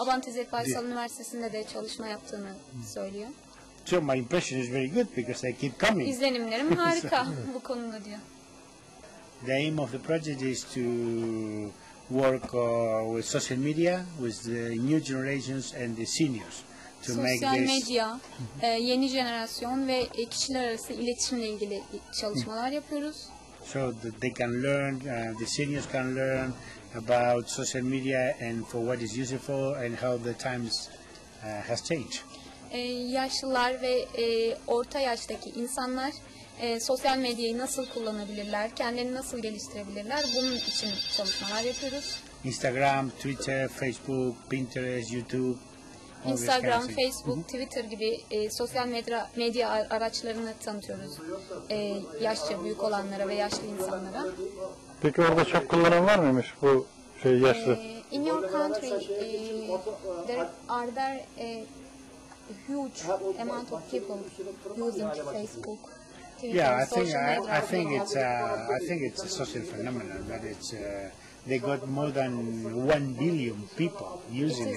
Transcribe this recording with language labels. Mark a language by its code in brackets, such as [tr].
[tr] Avant İzzetbaysal Üniversitesi'nde de çalışma yaptığını söylüyor. [en] So my impression is very good because I keep coming. [tr] İzlenimlerim harika bu konuda diyor. [en] The aim of the project is to work with social media, with the new generations and the seniors, to make this. [tr] Sosyal medya, yeni jenerasyon ve kişiler arası iletişimle ilgili çalışmalar yapıyoruz. [en] So that they can learn, the seniors can learn about social media and for what is useful and how the times has changed. [tr] Yaşlılar ve orta yaştaki insanlar sosyal medyayı nasıl kullanabilirler, kendini nasıl geliştirebilirler, bunun için çalışmalar yapıyoruz. [en] Instagram, Twitter, Facebook, Pinterest, YouTube. [tr] Instagram, Facebook, Twitter gibi sosyal medya araçlarını tanıtıyoruz yaşça büyük olanlara ve yaşlı insanlara. Peki orada çok kullanan var mıymış bu şey yaşlı? [en] In your country, there are there a huge amount of people using Facebook. Yeah, I think it's a social phenomenon that it's they got more than 1 billion people using it.